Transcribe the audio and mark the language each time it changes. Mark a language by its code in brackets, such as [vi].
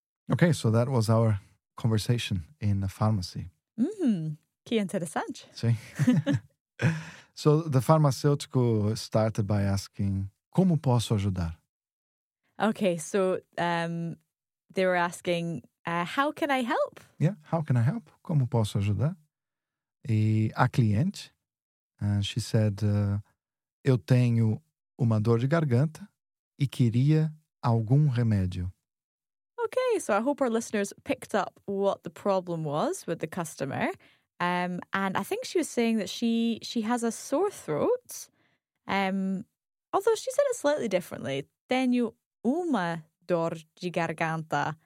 [en] Okay, so that was our conversation in the pharmacy. [pt] Que interessante. Sim. [en] So the pharmaceutical started by asking, [pt] como posso ajudar? [en] Okay, so they were asking, how can I help? Yeah, how can I help? [pt] Como posso ajudar? E a cliente, [en] she said, [pt] eu tenho uma dor de garganta e queria algum remédio. [en] Okay, so I hope our listeners picked up what the problem was with the customer. And I think she was saying that she has a sore throat. Although she said it slightly differently. [pt] Tenho uma dor de garganta.